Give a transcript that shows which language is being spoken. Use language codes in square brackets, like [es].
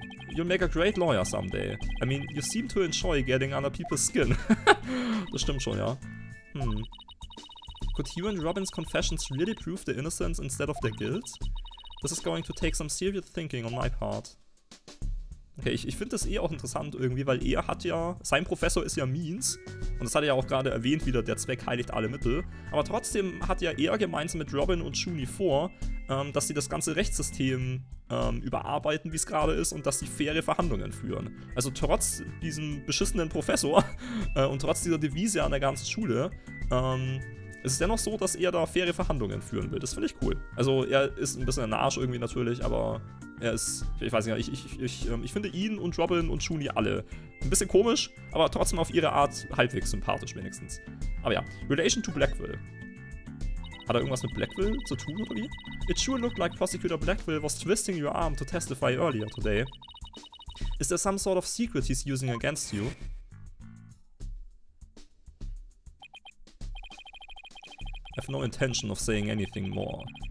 [en] You'll make a great lawyer someday. I mean, you seem to enjoy getting under people's skin. [de] Das stimmt schon, ja. [en] Could Hugh and Robin's confessions really prove their innocence instead of their guilt? This is going to take some serious thinking on my part. [de] Okay, ich finde das eh auch interessant irgendwie, weil er hat ja, sein Professor ist ja Means. Und das hat er ja auch gerade erwähnt wieder, der Zweck heiligt alle Mittel. Aber trotzdem hat ja er gemeinsam mit Robin und Juni vor, dass sie das ganze Rechtssystem überarbeiten, wie es gerade ist, und dass sie faire Verhandlungen führen. Also trotz diesem beschissenen Professor und trotz dieser Devise an der ganzen Schule, es ist dennoch so, dass er da faire Verhandlungen führen will. Das finde ich cool. Also er ist ein bisschen ein Arsch irgendwie natürlich, aber er ist, ich weiß nicht, ich finde ihn und Robin und Juni alle ein bisschen komisch, aber trotzdem auf ihre Art halbwegs sympathisch wenigstens. Aber ja, [en] Relation to Blackwell. [de] Hat er irgendwas mit Blackwell zu tun oder wie? [en] It sure looked like Prosecutor Blackwell was twisting your arm to testify earlier today. Is there some sort of secret he's using against you? I have no intention of saying anything more.